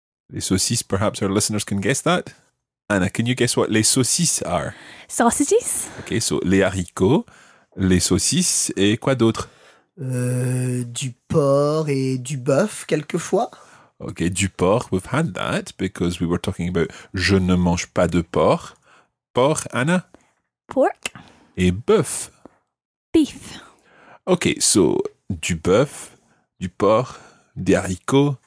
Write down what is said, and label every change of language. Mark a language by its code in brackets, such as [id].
[en] Les saucisses, perhaps our listeners can guess that. Anna, can you guess what les saucisses are? Sausages. [fr] Okay, so les haricots, les saucisses et quoi d'autre? Du porc et du bœuf, quelquefois. [en] Okay, du porc, we've had that because we were talking about [fr] je ne mange pas de porc. Porc, Anna? [en] Pork. [fr] Et bœuf? [en] Beef. [fr] Okay, so du bœuf, du porc, des haricots.